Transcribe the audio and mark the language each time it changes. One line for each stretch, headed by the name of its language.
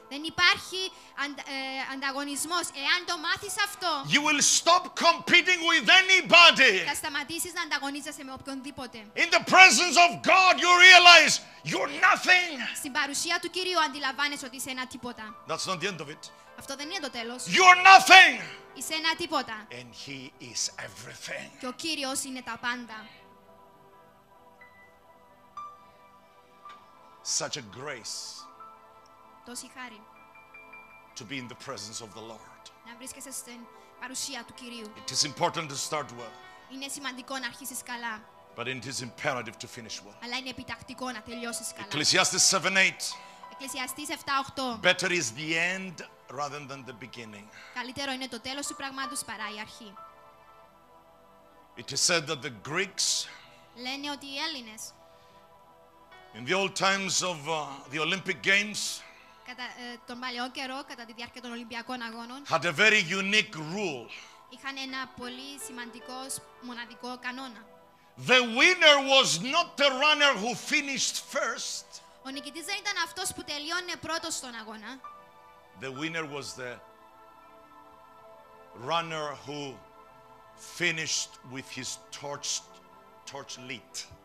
Greek: Δεν υπάρχει ανταγωνισμός εάν το μάθεις αυτό.
English: You will stop competing with anybody.
Greek: Θα σταματήσεις να ανταγωνίζεσαι με οποιονδήποτε.
English: In the presence of God, you realize you're nothing.
Greek: Στην παρουσία του Κυρίου αντιλαμβάνεσαι ότι είσαι ένα τίποτα.
English: That's not the end of it.
Greek: Αυτό δεν είναι το τέλος.
English: You are nothing.
Greek: Είσαι ένα τίποτα.
English: And He is everything.
Greek: Και ο Κύριος είναι τα πάντα.
English: Such a grace.
Greek: Τόση χάρη.
English: To be in the presence of the Lord.
Greek: Να βρίσκεσαι στην παρουσία του Κυρίου.
English: It is important to start well.
Greek: Είναι σημαντικό να αρχίσεις καλά.
English: But it is imperative to finish well.
Greek: Αλλά είναι επιτακτικό να τελειώσεις καλά.
English: Ecclesiastes 7:8. Ecclesiastes 7:8. Better is the end rather than the beginning.
Greek: Καλύτερο είναι το τέλος του πράγματος παρά η αρχή.
English: It is said that the Greeks.
Greek: Λένε ότι οι Έλληνες.
English: In the old times of the Olympic Games.
Greek: Κατά τον παλιό καιρό, κατά τη διάρκεια των Ολυμπιακών Αγώνων.
English: Had a very unique rule.
Greek: Είχαν ένα πολύ σημαντικό, μοναδικό κανόνα.
English: The winner was not the runner who finished first.
Greek: Ο νικητής δεν ήταν αυτός που τελειώνει πρώτος στον αγώνα.
English: The winner was the runner who finished with his torch lit.